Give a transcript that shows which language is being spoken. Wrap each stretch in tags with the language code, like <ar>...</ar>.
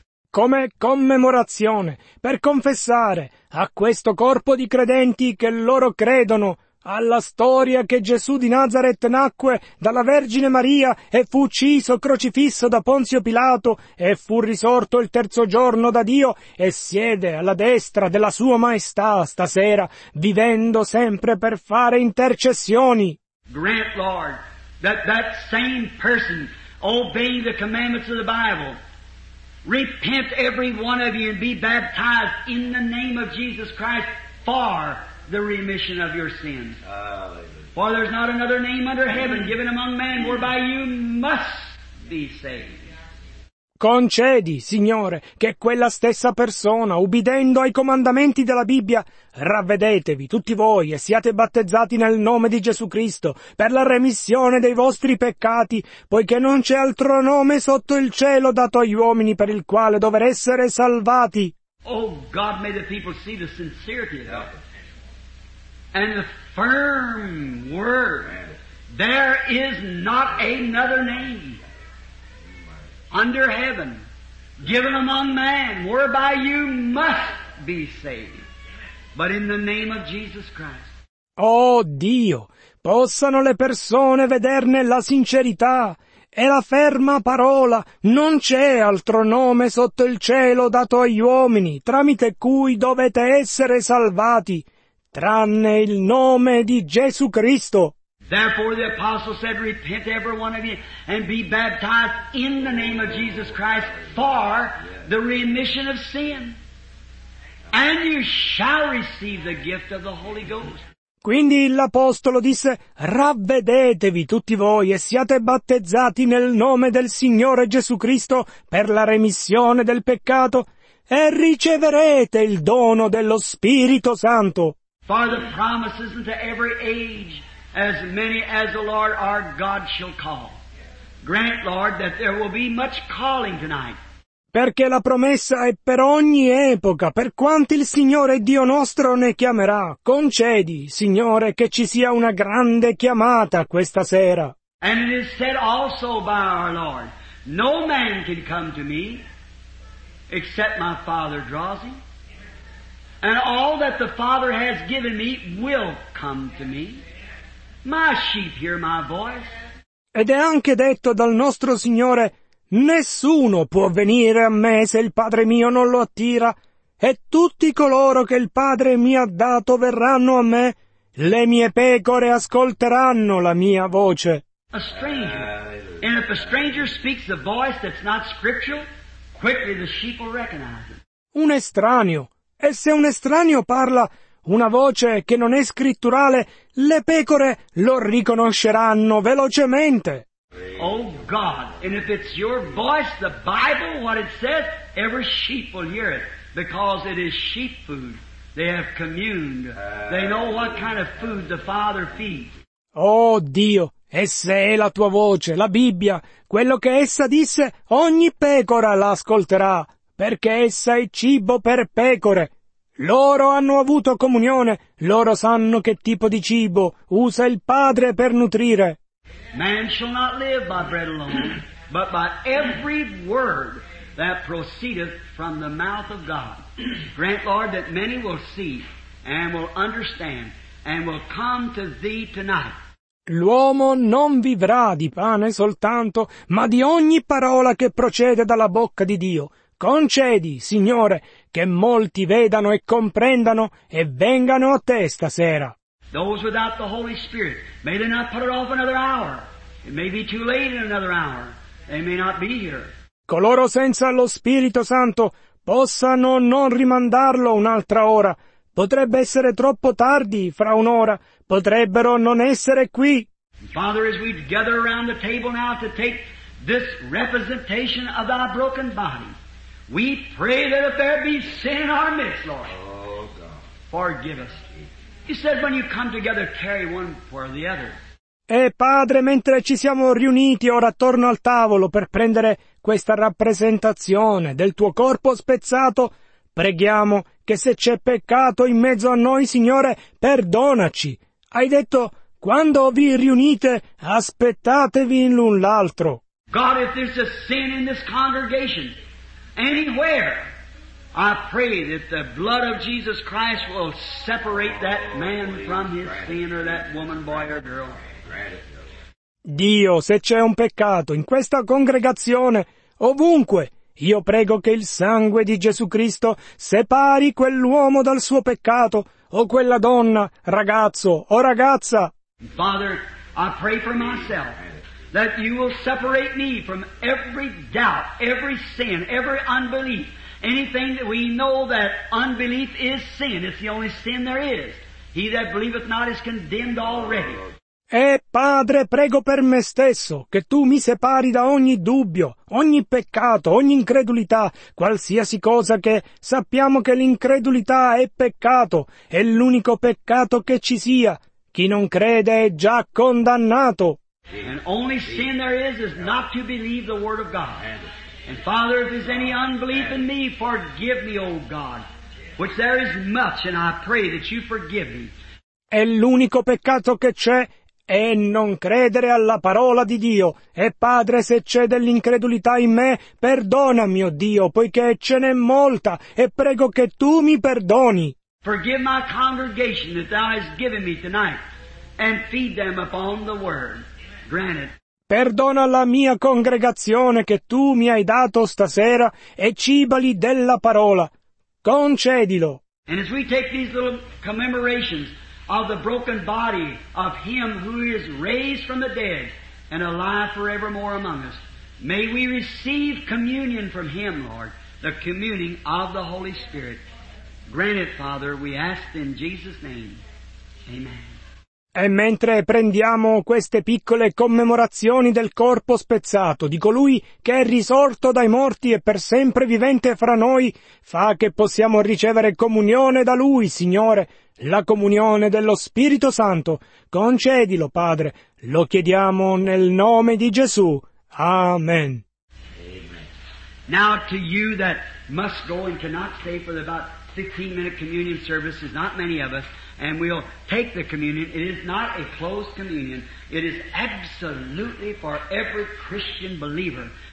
<it>Come commemorazione, per confessare a questo corpo di credenti che loro credono alla storia che Gesù di Nazaret nacque dalla Vergine Maria e fu ucciso, crocifisso da Ponzio Pilato e fu risorto il terzo giorno da Dio e siede alla destra della Sua Maestà stasera, vivendo sempre per fare intercessioni.</it> <en>Grant, Lord, that that same person obey the commandments of the Bible. Repent every one of you and be baptized in the name of Jesus Christ for the remission of your sins. For there's not another name under heaven given among men whereby you must be saved.</en> <it>Concedi, Signore, che quella stessa persona, ubbidendo ai comandamenti della Bibbia, ravvedetevi tutti voi e siate battezzati nel nome di Gesù Cristo per la remissione dei vostri peccati, poiché non c'è altro nome sotto il cielo dato agli uomini per il quale dover essere salvati.</it> <en>Oh God, may the people see the sincerity of it and the firm word. There is not another name under heaven given among man whereby you must be saved but in the name of Jesus Christ.</en> <it>Oh Dio, possano le persone vederne la sincerità e la ferma parola: non c'è altro nome sotto il cielo dato agli uomini tramite cui dovete essere salvati tranne il nome di Gesù Cristo.</it> <en>Therefore the apostle said, repent every one of you and be baptized in the name of Jesus Christ for the remission of sin. And you shall receive the gift of the Holy Ghost.</en> <it>Quindi l'apostolo disse, ravvedetevi tutti voi e siate battezzati nel nome del Signore Gesù Cristo per la remissione del peccato e riceverete il dono dello Spirito Santo.</it> <en>For the promise isn't to every age. As many as the Lord our God shall call. Grant, Lord, that there will be much calling tonight.</en> <it>Perché la promessa è per ogni epoca, per quanti il Signore Dio nostro ne chiamerà. Concedi, Signore, che ci sia una grande chiamata questa sera.</it> <en>And it is said also by our Lord, no man can come to me except my Father draws him. And all that the Father has given me will come to me. My sheep hear my voice.</en> <it>Ed è anche detto dal nostro Signore, nessuno può venire a me se il Padre mio non lo attira, e tutti coloro che il Padre mi ha dato verranno a me, le mie pecore ascolteranno la mia voce.</it> <en>A stranger. And if a stranger speaks a voice that's not scriptural, quickly the sheep will recognize it.</en> <it>Un estraneo. E se un estraneo parla una voce che non è scritturale, le pecore lo riconosceranno velocemente.</it> <en>Oh God, and if it's your voice, the Bible, what it says, every sheep will hear it, because it is sheep food. They have communed. They know what kind of food the Father feeds.</en> <it>Oh Dio, e se è la tua voce, la Bibbia, quello che essa disse, ogni pecora l'ascolterà, perché essa è cibo per pecore. Loro hanno avuto comunione, loro sanno che tipo di cibo usa il Padre per nutrire.</it> <en>Man shall not live by bread alone, but by every word that proceedeth from the mouth of God. Grant, Lord, that many will see and will understand and will come to thee tonight.</en> <it>L'uomo non vivrà di pane soltanto, ma di ogni parola che procede dalla bocca di Dio. Concedi, Signore, che molti vedano e comprendano e vengano a te stasera.</it> <en>Those without the Holy Spirit, may they not put it off another hour. It may be too late in another hour. They may not be here.</en> <it>Coloro senza lo Spirito Santo possano non rimandarlo un'altra ora. Potrebbe essere troppo tardi fra un'ora. Potrebbero non essere qui.</it> <en>Father, as we gather around the table now to take this representation of thy broken body, we pray that if there be sin in our midst, Lord, forgive us. You said when you come together, carry one for the other.</en> <it>E Padre, mentre ci siamo riuniti ora attorno al tavolo per prendere questa rappresentazione del tuo corpo spezzato, preghiamo che se c'è peccato in mezzo a noi, Signore, perdonaci. Hai detto, quando vi riunite, aspettatevi l'un l'altro.</it> <en>God, if there's a sin in this congregation, anywhere, I pray that the blood of Jesus Christ will separate that man from his sin or that woman, boy or girl.</en> <it>Dio, se c'è un peccato in questa congregazione, ovunque, io prego che il sangue di Gesù Cristo separi quell'uomo dal suo peccato o quella donna, ragazzo o ragazza.</it> <en>Father, I pray for myself. That you will separate me from every doubt, every sin, every unbelief, anything that we know that unbelief is sin. It's the only sin there is. He that believeth not is condemned already.</en> <it>Padre, prego per me stesso, che tu mi separi da ogni dubbio, ogni peccato, ogni incredulità, qualsiasi cosa che sappiamo che l'incredulità è peccato, è l'unico peccato che ci sia. Chi non crede è già condannato.</it> <en>And only sin there is not to believe the word of God. And Father, if there's any unbelief in me, forgive me, O God, which there is much, and I pray that you forgive me.</en> <it>È l'unico peccato che c'è è non credere alla parola di Dio. E Padre, se c'è dell'incredulità in me, perdona, mio Dio, poiché ce n'è molta, e prego che tu mi perdoni.</it> <en>Forgive my congregation that thou hast given me tonight, and feed them upon the word. Granted.</en> <it>Perdona la mia congregazione che tu mi hai dato stasera e cibali della parola. Concedilo.</it> <en>And as we take these little commemorations of the broken body of him who is raised from the dead and alive forevermore among us, may we receive communion from him, Lord, the communing of the Holy Spirit. Grant it, Father, we ask in Jesus' name. Amen.</en> <it>E mentre prendiamo queste piccole commemorazioni del corpo spezzato di colui che è risorto dai morti e per sempre vivente fra noi, fa che possiamo ricevere comunione da lui, Signore, la comunione dello Spirito Santo. Concedilo, Padre. Lo chiediamo nel nome di Gesù. Amen.</it> <en>Amen. Now to you that must go and cannot stay for about 15-minute communion service, is not many of us, and we'll take the communion. It is not a closed communion. It is absolutely for every Christian believer.</en>